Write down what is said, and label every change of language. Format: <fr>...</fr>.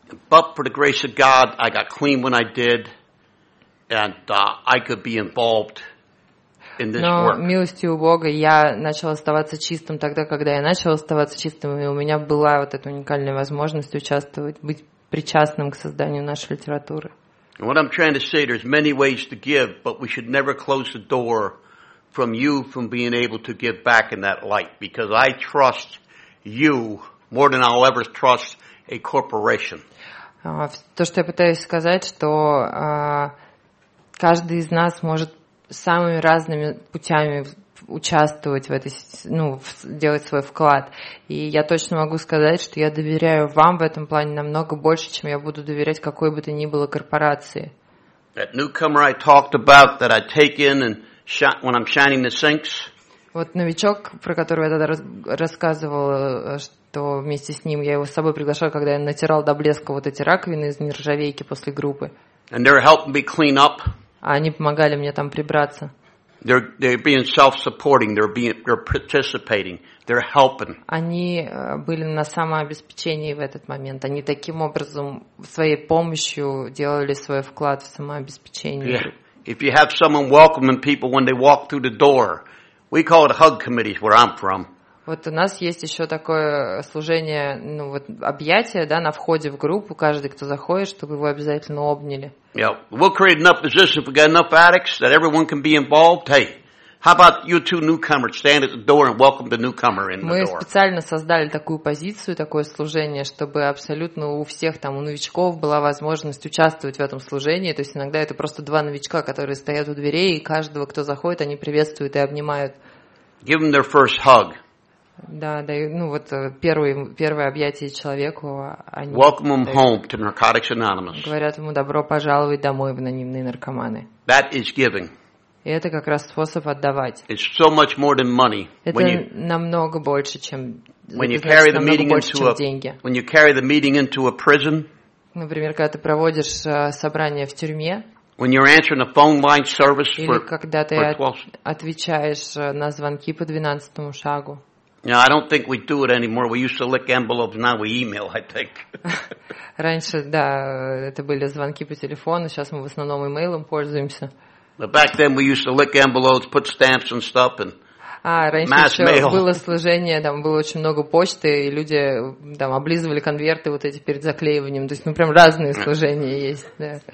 <en>But for the grace of God, I got clean when I did, and I could be involved.</en> <ru>Но милостью Бога я начал оставаться чистым тогда, когда я начал оставаться чистым, и у меня была вот эта уникальная возможность участвовать, быть причастным к созданию нашей литературы.</ru> <en>And what I'm trying to say, there's many ways to give, but we should never close the door from you from being able to give back in that light, because I trust you more than I'll ever trust a corporation.</en> <ru>То, что я пытаюсь сказать, что каждый из нас может самыми разными путями участвовать в этой, ну, делать свой вклад. И я точно могу сказать, что я доверяю вам в этом плане намного больше, чем я буду доверять какой бы то ни было корпорации.</ru> <en>That newcomer I talked about that I take in and when I'm shining the sinks.</en> <ru>Вот новичок, про которого я тогда рассказывал, что вместе с ним я его с собой приглашал, когда я натирал до блеска вот эти раковины из нержавейки после группы.</ru> <en>And they're helping me clean up.</en> <ru>Они помогали мне там прибраться.</ru> <en>They're being self-supporting, they're participating, they're helping.</en> <ru>Они были на самообеспечении в этот момент. Они таким образом своей помощью делали свой вклад в самообеспечение. Yeah.</ru> <en>If you have someone welcoming people when they walk through the door, we call it hug committees where I'm from.</en> <ru>Вот у нас есть еще такое служение, ну вот объятия, да, на входе в группу, каждый, кто заходит, чтобы его обязательно обняли.</ru> <en>Yeah, we'll create enough position if we got enough addicts that everyone can be involved. Hey, how about you two newcomers stand at the door and welcome the newcomer in the</en> <ru>Мы</ru> <en>door.</en> <ru>Специально создали такую позицию, такое служение, чтобы абсолютно у всех там у новичков была возможность участвовать в этом служении. То есть иногда это просто два новичка, которые стоят у дверей, и каждого, кто заходит, они приветствуют и обнимают.</ru> <en>Give them their first hug.</en> <ru>Да, да, ну вот первое объятие человеку, они</ru> <en>Welcome him home to Narcotics Anonymous.</en> <ru>Говорят ему добро пожаловать домой в анонимные наркоманы.</ru> <en>That is giving.</en> <ru>И это как раз способ отдавать.</ru> <en>It's so much more than money.</en> <ru>Это намного больше, чем</ru> <en>When you carry the meeting into a</en> <ru>деньги.</ru> <en>When you carry the meeting into a prison.</en> <ru>Например, когда ты проводишь собрание в тюрьме.</ru> <en>When you're answering a phone line service</en> <ru>Или когда ты отвечаешь на звонки по 12-му шагу.</ru> <en>No, I don't think we do it anymore. We used to lick envelopes, now we email, I think.</en> <ru>Раньше, да, это были звонки по телефону, сейчас мы в основном имейлом пользуемся.</ru> <en>But back then we used to lick envelopes, put stamps and stuff and</en> <ru>раньше еще было служение, там было очень много почты, и люди там облизывали конверты вот эти перед заклеиванием. То есть, ну, прям разные служения есть, да.</ru>